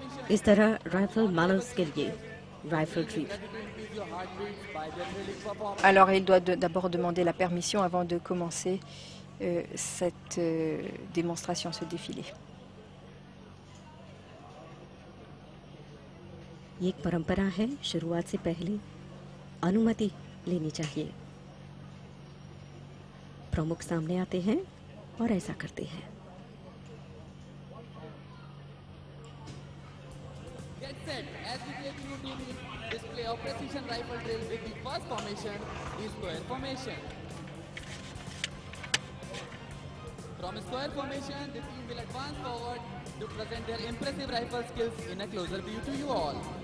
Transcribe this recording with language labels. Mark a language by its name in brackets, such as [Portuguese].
[French] Est ce rifle manos que lui, rifle trip. Alors, il doit d'abord demander la permission avant de commencer cette démonstration, ce défilé. [Hindi] एक परंपरा है शुरुआत से पहले अनुमति लेनी चाहिए प्रमुख सामने आते हैं और ऐसा करते हैं [English] get set as we take you to the display of precision rifle drill with the first formation is square formation from a square formation the team will advance forward to present their impressive rifle skills in a closer view to you all.